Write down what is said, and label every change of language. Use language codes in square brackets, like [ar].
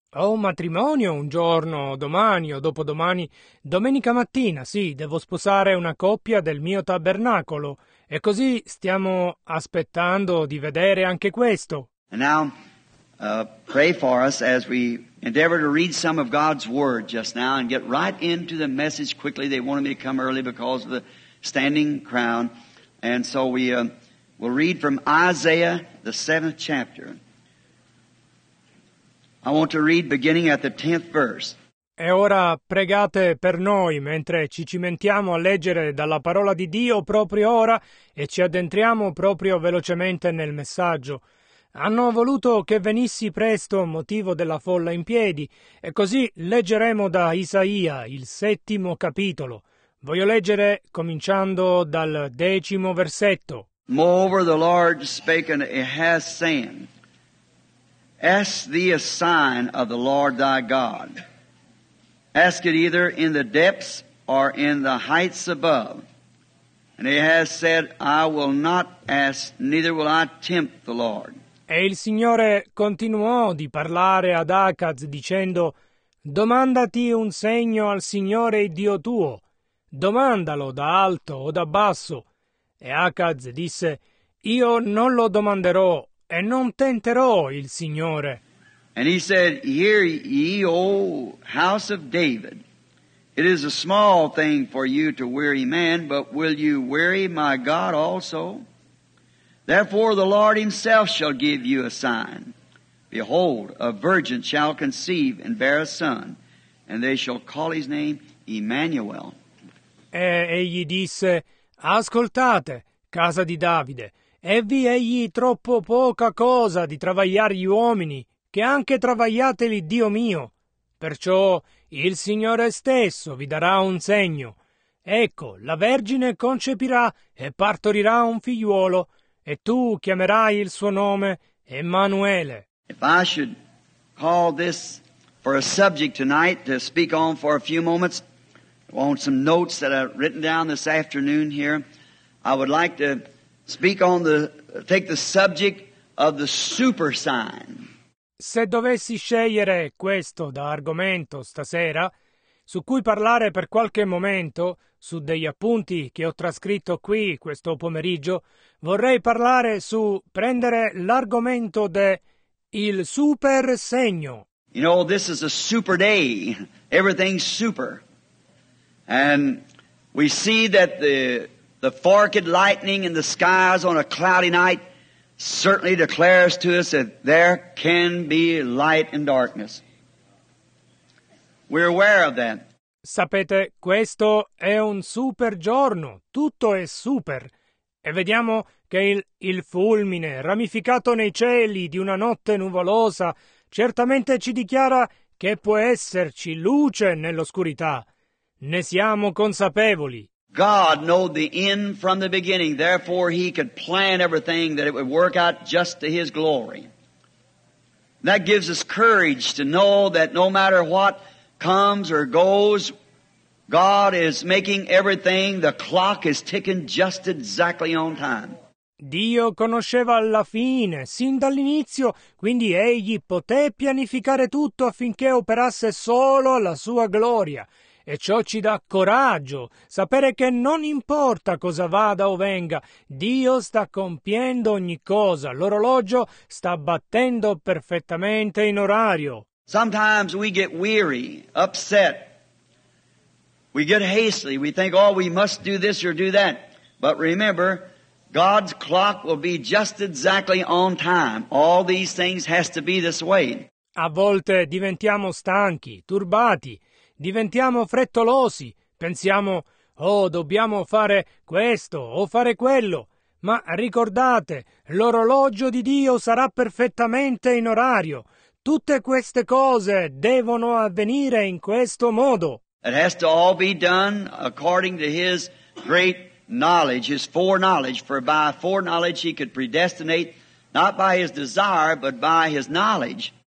[it] Ho un matrimonio un giorno, domani o dopodomani. Domenica mattina, sì, devo sposare una coppia del mio tabernacolo. E così stiamo aspettando di vedere anche questo. [en] And now, pray for us as we endeavor to read some of God's Word just now and get right into the message quickly. They wanted me to come early because of the standing crowd. And so we will read from Isaiah, the 7th chapter. I want to read beginning at the 10th verse. [it] E ora pregate per noi mentre ci cimentiamo a leggere dalla parola di Dio proprio ora e ci addentriamo proprio velocemente nel messaggio. Hanno voluto che venissi presto a motivo della folla in piedi e così leggeremo da Isaia il 7° capitolo. Voglio leggere cominciando dal 10° versetto. [en] Moreover, the Lord spake and has said, ask thee a sign of the Lord thy God. Ask it either in the depths or in the heights above. And he has said, I will not ask, neither will I tempt the Lord. [it] E il Signore continuò di parlare ad Acaz dicendo, domandati un segno al Signore Dio tuo, domandalo da alto o da basso. E Acaz disse, io non lo domanderò e non tenterò il Signore. [en] And he said, hear ye, O house of David, it is a small thing for you to weary man, but will you weary my God also? Therefore the Lord himself shall give you a sign. Behold, a virgin shall conceive and bear a son, and they shall call his name Emmanuel. [it] E egli disse, ascoltate, casa di Davide, e vi egli troppo poca cosa di travagliare gli uomini, che anche travagliateli Dio mio. Perciò il Signore stesso vi darà un segno. Ecco, la Vergine concepirà e partorirà un figliuolo, e tu chiamerai il suo nome Emanuele. [en] If I should call this for a subject tonight to speak on for a few moments, on some notes that I've written down this afternoon here, I would like to speak on the, take the subject of the super sign. [it] Se dovessi scegliere questo da argomento stasera, su cui parlare per qualche momento, su degli appunti che ho trascritto qui questo pomeriggio, vorrei parlare su prendere l'argomento de il super segno. [en] You know, this is a super day. Everything's super. And we see that the forked lightning in the skies on a cloudy night certainly declares to us that there can be light and darkness. We're aware of that. [it] Sapete, questo è un super giorno, tutto è super. E vediamo che il fulmine ramificato nei cieli di una notte nuvolosa certamente ci dichiara che può esserci luce nell'oscurità. Ne siamo consapevoli. [en] God knew the end from the beginning, therefore he could plan everything that it would work out just to his glory. That gives us courage to know that no matter what comes or goes, God is making everything, the clock is ticking just exactly on time. [it] Dio conosceva la fine, sin dall'inizio, quindi egli poté pianificare tutto affinché operasse solo alla sua gloria. E ciò ci dà coraggio, sapere che non importa cosa vada o venga, Dio sta compiendo ogni cosa, l'orologio sta battendo perfettamente in orario. [en] Sometimes we get weary, upset. We get hasty, we think, oh, we must do this or do that. But remember, God's clock will be just exactly on time. All these things has to be this way. [it] A volte diventiamo stanchi, turbati. Diventiamo frettolosi, pensiamo, oh, dobbiamo fare questo o fare quello. Ma ricordate, l'orologio di Dio sarà perfettamente in orario. Tutte queste cose devono avvenire in questo modo. [en] It has to all be done according to his great knowledge, his foreknowledge, for by foreknowledge he could predestinate, not by his desire, but by his knowledge.